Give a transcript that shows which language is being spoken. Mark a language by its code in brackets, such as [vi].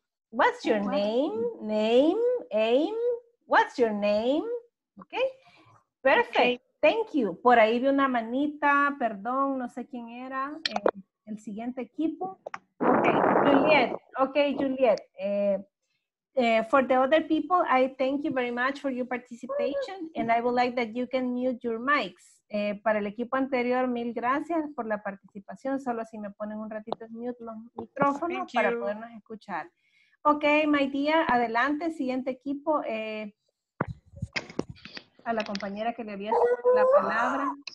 [en] What's your name? What's your name? ¿Ok? Perfect. Okay. Thank you. [es] Por ahí vi una manita, perdón, no sé quién era, el siguiente equipo. [en] Ok, Juliet. Ok, Juliet. For the other people, I thank you very much for your participation, and I would like that you can mute your mics. [es] Para el equipo anterior, mil gracias por la participación. Solo así me ponen un ratito en mute los micrófonos thank para you. Podernos escuchar. [en] Ok, my dear, [es] adelante, siguiente equipo. A la compañera que le había dado la palabra.